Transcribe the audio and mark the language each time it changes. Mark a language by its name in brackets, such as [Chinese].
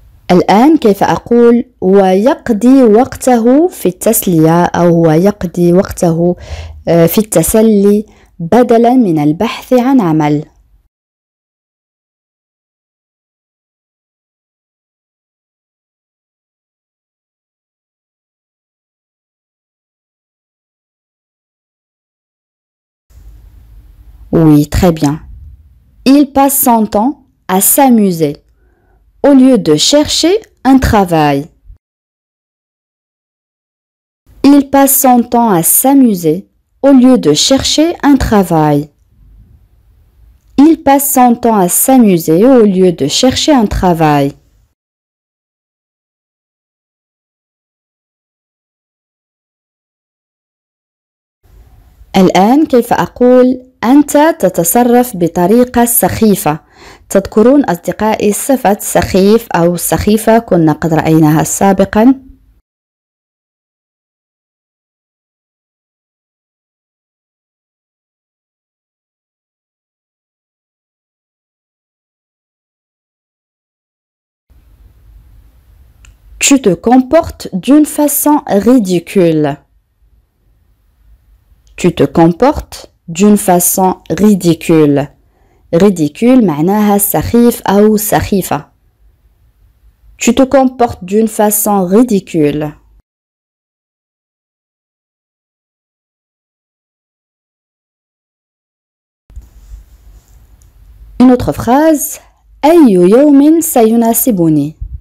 [Arabic] الآن كيف أقول ويقضي وقته في التسلية أو هو يقضي وقته في التسلي بدلا من البحث عن عمل؟ [French] Oui, très bien. Il passe son temps à s'amuser au lieu de chercher un travail. Il passe son temps à s'amuser au lieu de chercher un travail. Il passe son temps à s'amuser au lieu de chercher un travail. [Arabic] الآن كيف أقول أنت تتصرف بطريقة سخيفة؟ تذكرون أصدقائي صفة سخيف أو سخيفة كنا قد رأيناها سابقا؟ [French] Tu te comportes d'une façon ridicule. Tu te comportes d'une façon ridicule. [Arabic] Ridicule معناها سخيف أو سخيفة. [French] Tu te comportes d'une façon ridicule. Une autre phrase. [Arabic] أي يوم سيناسبني.